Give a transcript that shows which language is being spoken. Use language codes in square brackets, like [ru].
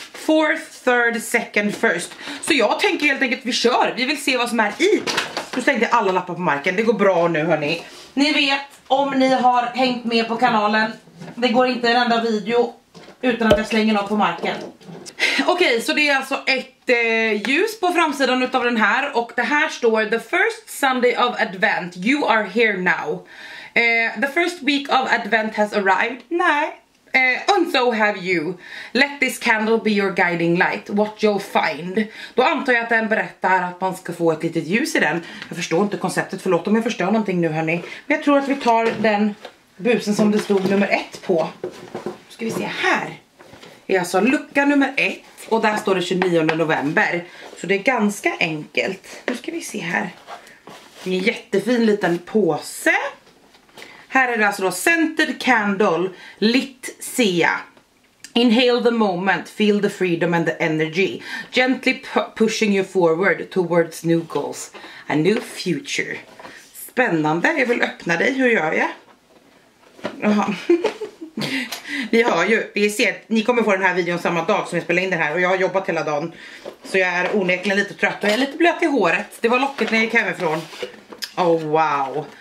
[en] Fourth, third, second, first. [sv] Så jag tänker helt enkelt, vi kör. Vi vill se vad som är i. Nu stängde jag alla lappar på marken. Det går bra nu, hörni. Ni vet, om ni har hängt med på kanalen, det går inte en enda video utan att jag slänger något på marken. Okej, okay, så det är alltså ett ljus på framsidan utav den här. Och det här står, [en] the first Sunday of Advent, you are here now. The first week of Advent has arrived. Nej. And so have you. Let this candle be your guiding light. What you'll find. [sv] Då antar jag att den berättar att man ska få ett litet ljus i den. Jag förstår inte konceptet, förlåt om jag förstör någonting nu, hörni. Men jag tror att vi tar den busen som det stod nummer 1 på. Nu ska vi se här. Det är alltså lucka nummer 1. Och där står det 29 november. Så det är ganska enkelt. Nu ska vi se här. En jättefin liten påse. Här är det alltså då, [en] scented candle, [sv] lit sia. [en] Inhale the moment, feel the freedom and the energy. Gently pushing you forward towards new goals, a new future. [sv] Spännande, jag vill öppna dig, hur gör jag? Jaha. Vi har ju, vi ser, ni kommer få den här videon samma dag som jag spelar in den här, och jag har jobbat hela dagen. Så jag är onekligen lite trött och jag är lite blöt i håret. Det var locket när jag gick hemifrån. [en] Oh wow.